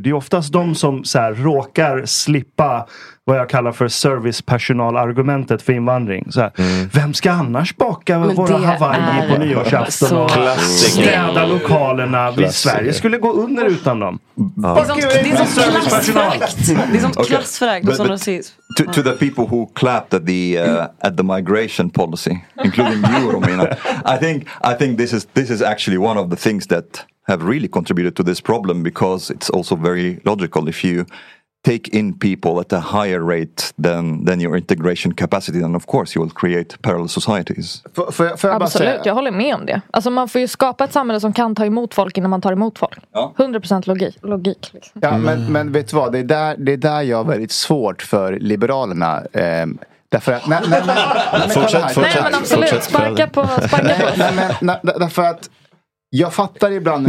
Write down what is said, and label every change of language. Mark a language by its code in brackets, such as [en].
[sv] Det är oftast de som så här, råkar slippa vad jag kallar för servicepersonal-argumentet för invandring. Så här, vem ska annars baka men våra Hawaii på nyårsafton och städa lokalerna? Sverige skulle gå under utan dem. Det är sånt klassförakt och sån rasism. [en] To the people who clapped at the migration policy, including you, Romina, I think this is actually one of the things that have really contributed to this problem, because it's also very logical if you take in people at a higher rate than your integration capacity, then of course you will create parallel societies. [sv] Absolut, jag håller med om det. Alltså man får ju skapa ett samhälle som kan ta emot folk innan man tar emot folk. Ja. 100% logik liksom. Ja, men vet du vad, det är där jag har väldigt svårt för Liberalerna. Därför att jag fattar ibland...